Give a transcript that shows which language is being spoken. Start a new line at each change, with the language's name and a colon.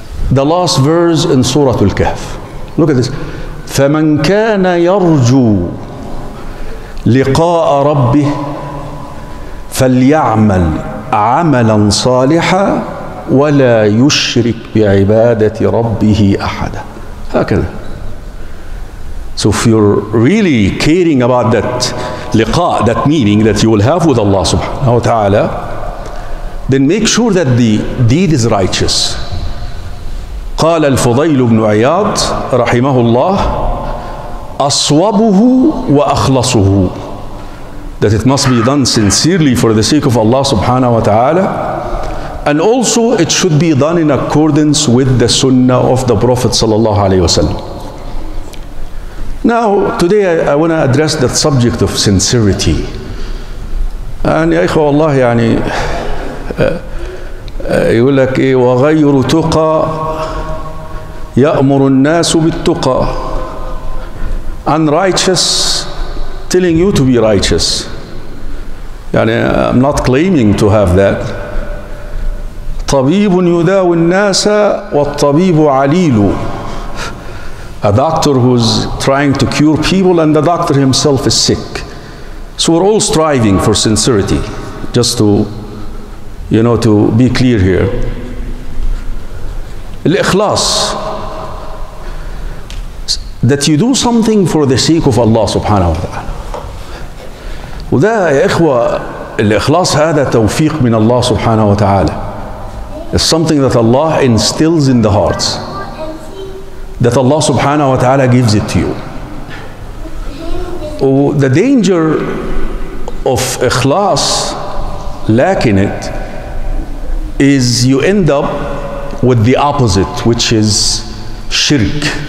English: The last verse in Surah Al-Kahf. Look at this.
Arabic: فَمَنْ كَانَ يَرْجُو لِقَاءَ رَبِّهِ فَلْيَعْمَلْ عَمَلًا صَالِحًا وَلَا يُشْرِكْ بِعِبَادَةِ رَبِّهِ أَحَدًا. هكذا.
English: So if you're really caring about that لقاء, that meeting that you will have with Allah subhanahu wa ta'ala, then make sure that the deed is righteous.
Arabic: قال الفضيل بن عياض رحمه الله أصوبه وأخلصه.
English: That it must be done sincerely for the sake of Allah subhanahu wa ta'ala. And also it should be done in accordance with the sunnah of the Prophet sallallahu alayhi wa sallam. Now, today I want to address that subject of sincerity.
Arabic: And ya ikhwa Allah, yani, يقول لك إيه وغير تقى يأمر الناس بالتقى.
English: Unrighteous telling you to be righteous. يعني I'm not claiming to have that.
Arabic: طبيب يداوي الناس والطبيب عليل.
English: A doctor who's trying to cure people and the doctor himself is sick. So we're all striving for sincerity. Just to, you know, to be clear here.
Arabic: الإخلاص.
English: That you do something for the sake of Allah subhanahu wa ta'ala.
Arabic: وده يا إخوة الإخلاص هذا توفيق من الله سبحانه وتعالى.
English: It's something that Allah instills in the hearts, that Allah subhanahu wa ta'ala gives it to you. Oh, the danger of ikhlas lacking it is you end up with the opposite, which is shirk.